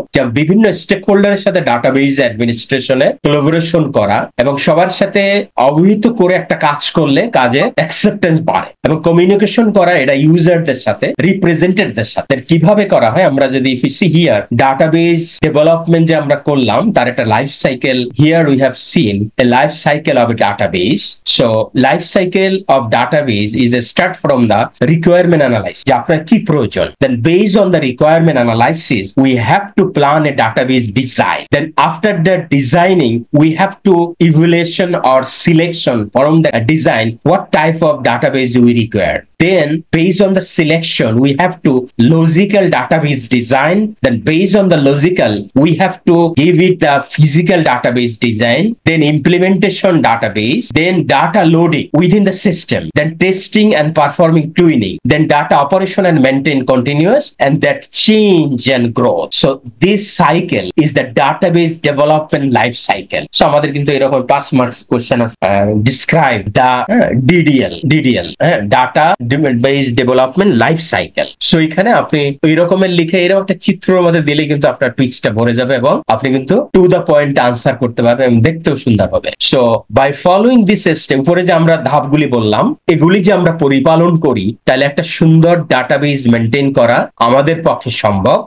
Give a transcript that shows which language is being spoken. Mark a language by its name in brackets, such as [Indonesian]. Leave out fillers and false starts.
[Bangla] যা বিভিন্ন স্টেকহোল্ডারের সাথে ডাটাবেজ অ্যাডমিনিস্ট্রেশনে কোলাবোরেশন করা এবং সবার সাথে অবহিত করে একটা কাজ করলে কাজে অ্যাকসেপ্টেন্স বাড়ে, এবং কমিউনিকেশন করা এটা ইউজারদের সাথে, রিপ্রেজেন্টেটদের সাথে। কিভাবে করা হয় আমরা যদি [English] if you see here database development [Bangla] যে আমরা করলাম তার একটা life cycle, [English] Here we have seen a life cycle of database. So life cycle of database is a start from the requirement analysis, [Bangla] যে আপনার কি প্রয়োজন। [English] Then based on the requirement analysis, we have to plan a database design. Then after the designing, we have to evaluation or selection from the design, what type of database we require. Then based on the selection, we have to logical database design. Then based on the logical, we have to give it the physical database design. Then implementation database. Then data loading within the system. Then testing and performing tuning. Then data operation and maintain continuous. And that change and growth. So this cycle is the database development life cycle. So [Bangla] আমাদের কিন্তু এরকম পাঁচ marks [English] question describe the DDL data based development life cycle. [Bangla] So এখানে আপনি এরকমের লিখে এরকম একটা চিত্র আমাদের দিলে কিন্তু আপনার টুইস্টটা ভরে যাবে এবং আপনি কিন্তু টু দ্য পয়েন্ট আনসার করতে পারবেন এবং দেখতেও সুন্দর হবে। [English] so by following this step, [Bangla] উপরে যে আমরা ধাপগুলি বললাম এগুলি যে আমরা পরিপালন করি তাহলে একটা সুন্দর ডাটাবেজ মেনটেন করা আমাদের পক্ষে সম্ভব।